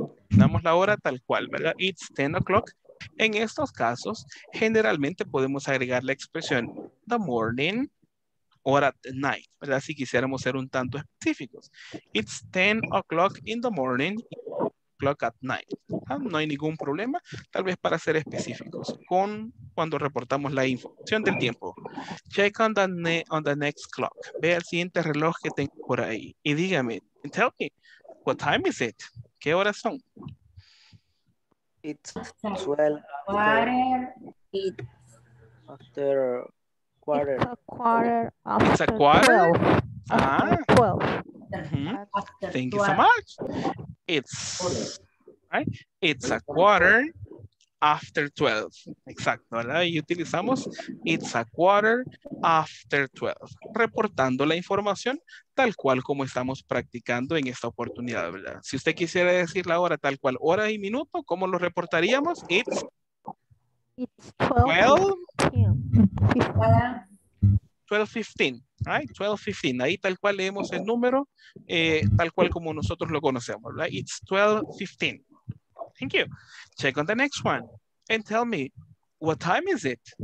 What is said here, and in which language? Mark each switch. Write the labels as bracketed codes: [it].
[es] Damos la hora tal cual, ¿verdad? [en] It's 10 o'clock. [es] En estos casos, generalmente podemos agregar la expresión [en] the morning or at night, [es] ¿verdad? Si quisiéramos ser un tanto específicos. [en] It's 10 o'clock in the morning, o'clock at night. [es] ¿Verdad? No hay ningún problema, tal vez para ser específicos, con cuando reportamos la información del tiempo. [en] Check on the next clock. [es] Ve el siguiente reloj que tengo por ahí. Y dígame, [en] tell me, what time is it? [es] ¿Qué horas son? [en] It's 12 after quarter. It's a quarter after 12. After 12. Mm-hmm. After thank 12. You so much. It's right. It's a quarter after 12. [es] Exacto. ¿Verdad? Y utilizamos [en] it's a quarter after 12. [es] Reportando la información tal cual como estamos practicando en esta oportunidad, ¿verdad? Si usted quisiera decir la hora tal cual, hora y minuto, ¿cómo lo reportaríamos? [en] It's 12:15. Right? 12:15. [es] Ahí tal cual leemos el número, tal cual como nosotros lo conocemos, ¿verdad? [en] It's 12:15. Thank you. Check on the next one and tell me, what time is it?